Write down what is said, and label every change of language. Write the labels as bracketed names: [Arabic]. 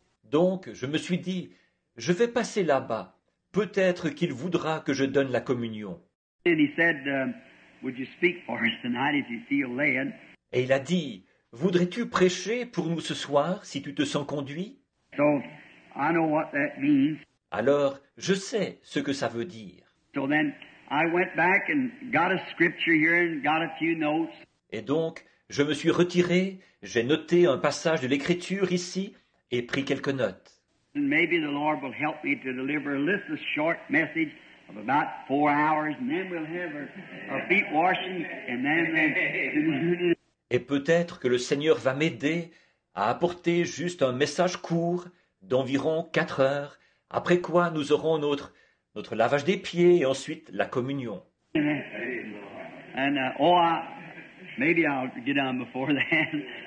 [French] Donc, je me suis dit, je vais passer là-bas. Peut-être qu'il voudra que je donne la communion. [English] And he said, would you speak for us tonight if you feel led? [French] Et il a dit, voudrais-tu prêcher pour nous ce soir si tu te sens conduit? [English] So, I know what that means. [French] Alors, je sais ce que ça veut dire. [English] So then, I went back and got a scripture here and got a few notes. [French] Et donc, je me suis retiré, j'ai noté un passage de l'écriture ici et pris quelques notes. [English] And maybe the Lord will help me to deliver a little short message. Of about 4 hours, and then we'll have our feet washing, and then. [French] Et peut-être que le Seigneur va m'aider à apporter juste un message court d'environ 4 heures. Après quoi, nous aurons notre lavage des pieds et ensuite la communion. [English] And maybe I'll get on before then.